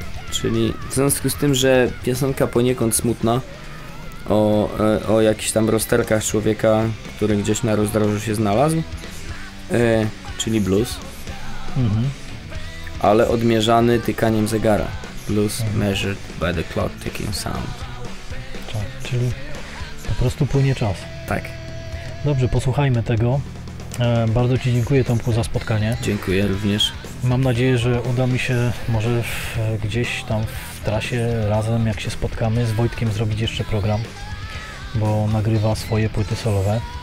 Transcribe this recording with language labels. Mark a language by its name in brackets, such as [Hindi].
[Polish] Czyli w związku z tym, że piosenka poniekąd smutna o jakichś tam rozterkach człowieka, który gdzieś na rozdrożu się znalazł, czyli blues, ale odmierzany tykaniem zegara. [English] Blues measured by the clock ticking sound. [Polish] Czyli po prostu płynie czas. Tak. Dobrze, posłuchajmy tego. Bardzo Ci dziękuję, Tomku, za spotkanie. Dziękuję również. Mam nadzieję, że uda mi się może gdzieś tam w trasie razem, jak się spotkamy, z Wojtkiem zrobić jeszcze program, bo nagrywa swoje płyty solowe.